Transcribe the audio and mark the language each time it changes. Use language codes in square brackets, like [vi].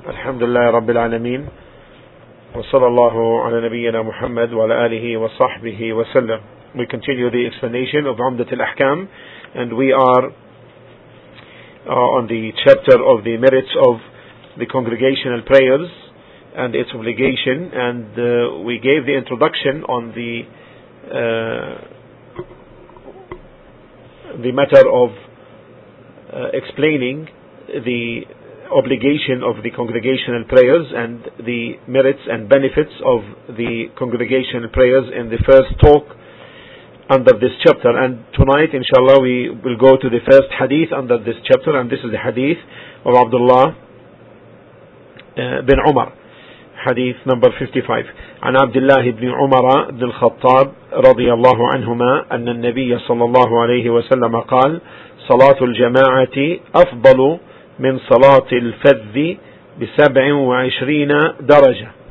[ar] الحمد لله رب العالمين، وصلى الله على نبينا محمد وعلى آله وصحبه وسلم. [en] We continue the explanation of عمدة الأحكام, and we are on the chapter of the merits of the congregational prayers and its obligation, and we gave the introduction on the matter of explaining the obligation of the congregational prayers and the merits and benefits of the congregational prayers in the first talk under this chapter. And tonight, inshallah, we will go to the first hadith under this chapter, and this is the hadith of Abdullah bin Umar, hadith number 55. [ar] An Abdullah ibn Umar ibn al-Khattab رضي الله عنهما أن النبي صلى الله عليه وسلم قال صلاة الجماعة أفضل من صلاة الفذ بسبع وعشرين درجة.